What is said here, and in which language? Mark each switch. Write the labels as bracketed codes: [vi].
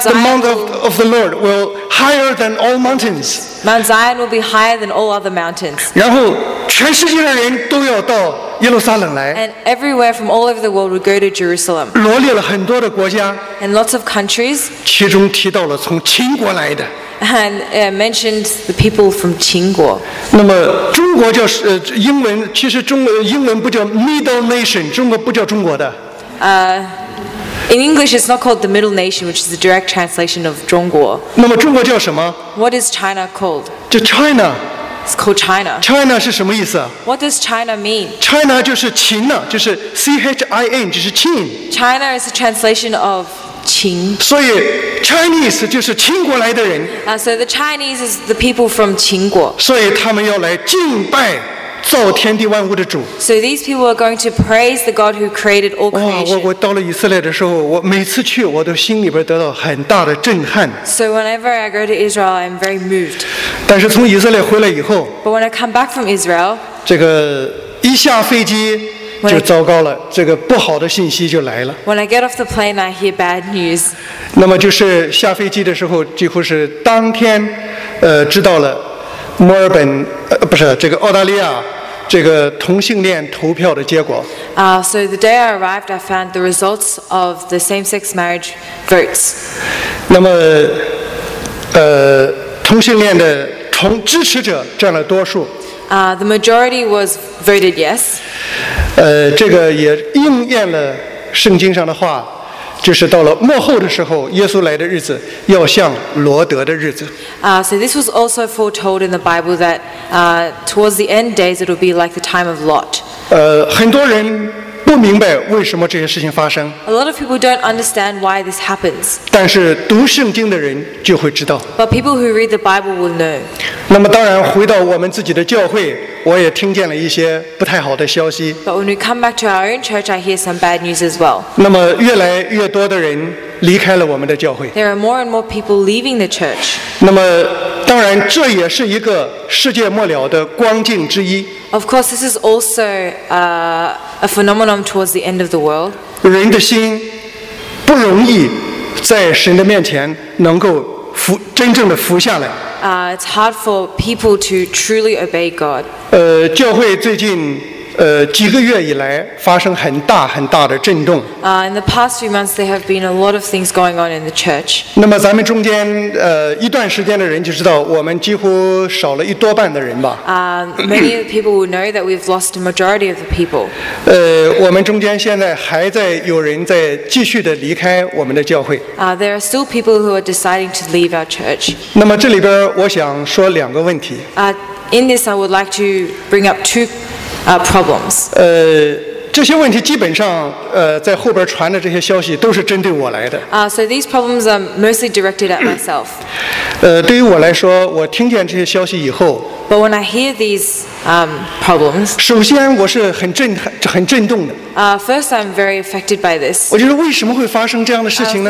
[en] the Mount of the Lord will higher than all mountains. Mount Zion will be higher than all other mountains. [zh] 然后全世界的人都要到。耶路撒冷来 [en] and everywhere from all over the world would go to Jerusalem. [zh] 罗列了很多的国家 [en] and lots of countries. [zh] 其中提到了从秦国来的 [en] and mentioned the people from 秦国 [zh] 那么中国叫英文，其实中英文不叫 [en] Middle Nation， [zh] 中国不叫中国的。 [en] In English, it's not called the Middle Nation, which is the direct translation of 中国。 [zh] 那么中国叫什么？ [en] What is China called? [zh] 叫 China。 [en] It's called China. [zh] China 是什么意思？ [en] What does China mean? [zh] China 就是秦呢，就是 C-H-I-N， 就是秦。 [en] China is a translation of 秦。 [zh] 所以 Chinese 就是秦国来的人。 [en] So the Chinese is the people from 秦国。 [zh] 所以他们要来敬拜造天地万物的主。 [en] So these people are going to praise the God who created all creation. [zh] 我到了以色列的时候，我每次去，我都心里边得到很大的震撼。 [en] So whenever I go to Israel, I'm very moved. [zh] 但是从以色列回来以后 [en] ，But when I come back from Israel, [zh] 这个一下飞机就糟糕了， 这个不好的信息就来了。 [en] When I get off the plane, I hear bad news. [zh] 那么就是下飞机的时候，几乎是当天，知道了。墨尔本，不是这个澳大利亚，这个同性恋投票的结果。 [en] So the day I arrived, I found the results of the same-sex marriage votes. [zh] 那么，同性恋的同支持者占了多数。 [en] The majority was voted yes. [zh] 这个也应验了圣经上的话。就是到了末后的时候，耶稣来的日子要像罗德的日子。 [en] So this was also foretold in the Bible that towards the end days it will be like the time of Lot. [zh] 很多人不明白为什么这些事情发生。 [en] A lot of people don't understand why this happens. [zh] 但是读圣经的人就会知道。 [en] But people who read the Bible will know. [zh] 那么当然回到我们自己的教会，我也听见了一些不太好的消息。 [en] But when we come back to our own church, I hear some bad news as well. [zh] 那么越来越多的人离开了我们的教会。 [en] There are more and more people leaving the church. [zh] 那么当然这也是一个世界末了的光景之一。 [en] Of course, this is also a phenomenon towards the end of the world. [zh] 人的心不容易在神的面前能够服真正的服下来。 [en] It's hard for people to truly obey God. [zh] 教会最近几个月以来发生很大很大的震动。 [en] In the past few months, there have been a lot of things going on in the church. [zh] 那么咱们中间一段时间的人就知道，我们几乎少了一多半的人吧。 [en] Many of the people will know that we've lost the majority of the people. [zh] 我们中间现在还在有人在继续的离开我们的教会。 [en] There are still people who are deciding to leave our church. [zh] 那么这里边我想说两个问题。 [en] In this, I would like to bring up two. Problems. [zh] 这些问题基本上，在后边传的这些消息都是针对我来的。 [en] So these problems are mostly directed at myself. [zh] 对于我来说，我听见这些消息以后 [en] ，But when I hear these problems, [zh] 首先我是很震动的。 [en] First, I'm very affected by this. [zh] 我觉得为什么会发生这样的事情呢